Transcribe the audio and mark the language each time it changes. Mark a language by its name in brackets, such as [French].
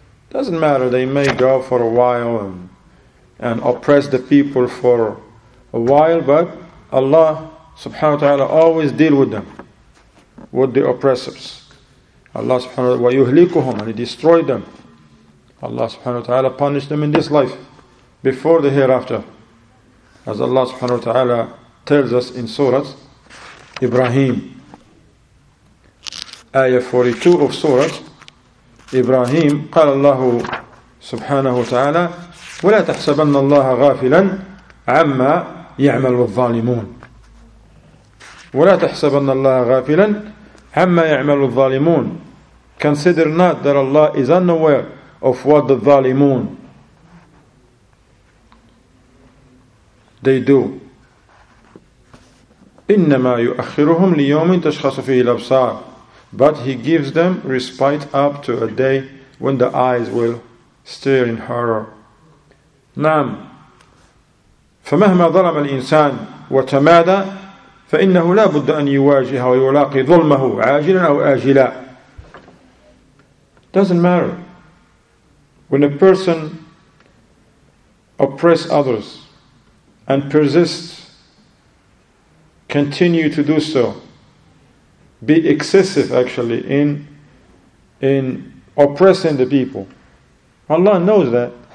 [English] Doesn't matter, they may go for a while and oppress the people for a while, but Allah subhanahu wa ta'ala always deal with them, with the oppressors. Allah subhanahu wa ta'ala وَيُهْلِكُهُمْ and He destroyed them. Allah subhanahu wa ta'ala punished them in this life, before the hereafter. As Allah subhanahu wa ta'ala tells us in Surah Ibrahim. Ayah 42 of Surah Ibrahim, [Arabic] قال الله سبحانه وتعالى ولا تحسبن الله غافلا عما يعمل الظالمون ولا تحسبن الله غافلا عما يعمل الظالمون. [English] Consider not that Allah is unaware of what the ظالمون they do. [Arabic] إنما يؤخرهم ليوم تشخص فيه الأبصار. [English] But he gives them respite up to a day when the eyes will stare in horror. [Arabic] نعم. فمهما ظلم الإنسان وتمادى فإنه لا بد أن يواجه ويلاقي ظلمه عاجلا أو آجلا. [English] Doesn't matter. When a person oppresses others and persists, continue to do so, be excessive actually in oppressing the people. Allah knows that.